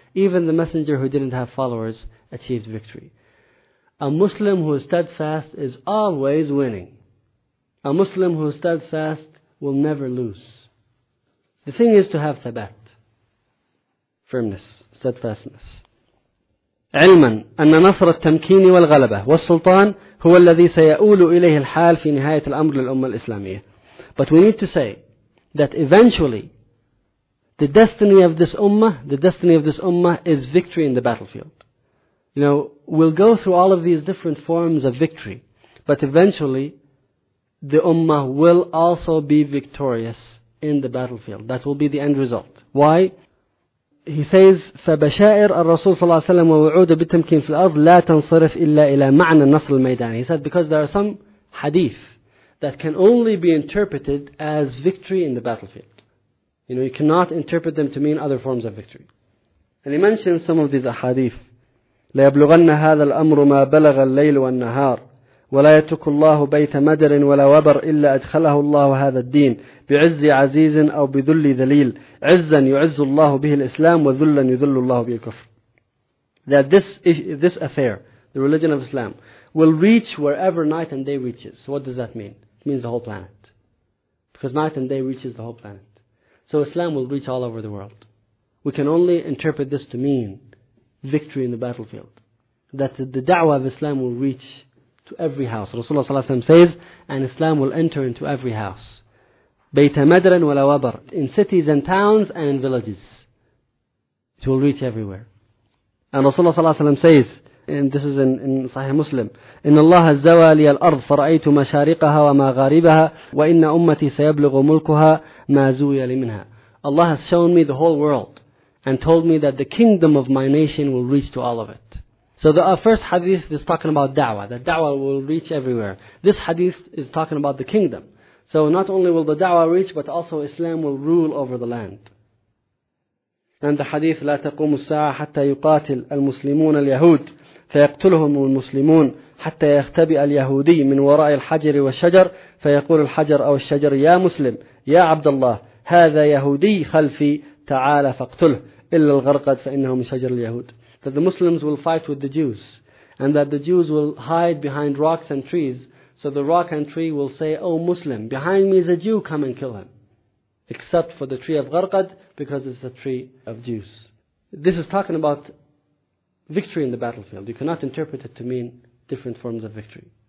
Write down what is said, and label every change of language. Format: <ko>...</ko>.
<en>Even the messenger who didn't have followers achieved victory. A Muslim who is steadfast is always winning. A Muslim who is steadfast will never lose. The thing is to have thabat, firmness, steadfastness.</en> <ar>علما أن نصر التمكين والغلبة والسلطان هو الذي سيؤول إليه الحال في نهاية الأمر للأمة الإسلامية.</ar> <en>But we need to say that eventually the destiny of this ummah, the destiny of this ummah is victory in the battlefield. You know, we'll go through all of these different forms of victory, but eventually the ummah will also be victorious in the battlefield. That will be the end result. Why? He says,</en> <ar>فبشائر الرسول صلى الله عليه وسلم ووعوده بالتمكين في الأرض لا تنصرف إلا إلى معنى النصر الميداني.</ar> <en>He said, because there are some hadith that can only be interpreted as victory in the battlefield. You know, you cannot interpret them to mean other forms of victory. And he mentions some of these hadith.</en> <ar>ليبلغن هذا الأمر ما بلغ الليل والنهار ولا يترك الله بيت مدر ولا وبر إلا أدخله الله هذا الدين بعز عزيز أو بذل ذليل عزا يعز الله به الإسلام وذلا يذل الله به الكفر.</ar> <en>That this affair, the religion of Islam, will reach wherever night and day reaches. So what does that mean? It means the whole planet. Because night and day reaches the whole planet. So Islam will reach all over the world. We can only interpret this to mean victory in the battlefield. That the da'wah of Islam will reach to every house. Rasulullah صلى الله عليه وسلم says, and Islam will enter into every house.</en> <ar>بيت مدر ولا وبر.</ar> <en>In cities and towns and in villages. It will reach everywhere. And Rasulullah صلى الله عليه وسلم says, and this is in Sahih Muslim,</en> <ar>إن الله زوى لي الأرض فرأيت مشارقها ومغاربها وإن أمتي سيبلغ ملكها ما زوي لي منها.</ar> <en>Allah has shown me the whole world and told me that the kingdom of my nation will reach to all of it. So the first hadith is talking about da'wah, that da'wah will reach everywhere. This hadith is talking about the kingdom. So not only will the da'wah reach, but also Islam will rule over the land.</en> <ar>And the hadith, لا تقوم الساعة حتى يقاتل المسلمون اليهود فيقتلهم المسلمون حتى يختبئ اليهودي من وراء الحجر والشجر فيقول الحجر أو الشجر يا مسلم يا عبد الله هذا يهودي خلفي تعال فاقتله إلا الغرقد فإنه من شجر اليهود.</ar> <en>That the Muslims will fight with the Jews, and that the Jews will hide behind rocks and trees, so the rock and tree will say, oh Muslim, behind me is a Jew, come and kill him. Except for the tree of Gharqad, because it's a tree of Jews. This is talking about victory in the battlefield. You cannot interpret it to mean different forms of victory.</en>